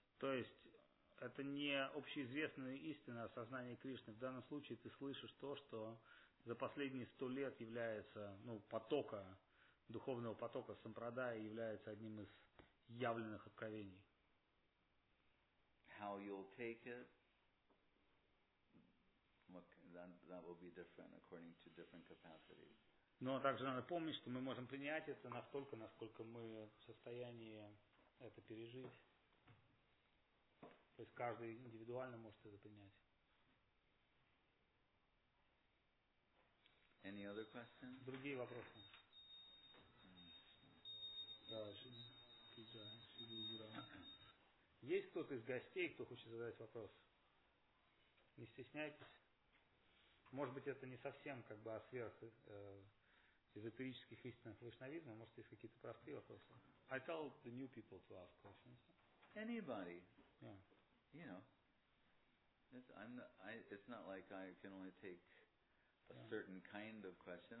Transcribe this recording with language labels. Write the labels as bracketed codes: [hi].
[ru] То есть это не общеизвестная истина о сознании Кришны. В данном случае ты слышишь то, что за последние 100 лет является, ну, потока, духовного потока сампрадая является одним из явленных откровений. [en] How you'll take it, that will be different according to different capacities. [ru] Но также надо помнить, что мы можем принять это настолько, насколько мы в состоянии это пережить. То есть каждый индивидуально может это принять. [en] Any other questions? [ru] Другие вопросы. [en] Okay. [ru] Есть кто-то из гостей, кто хочет задать вопрос? Не стесняйтесь. Может быть, это не совсем как бы о сверх эзотерических истинах вайшнавизма, может, есть какие-то простые вопросы. [en] I tell the new people to ask questions. Anybody. Yeah. You know. It's not like I can only take a certain kind of question.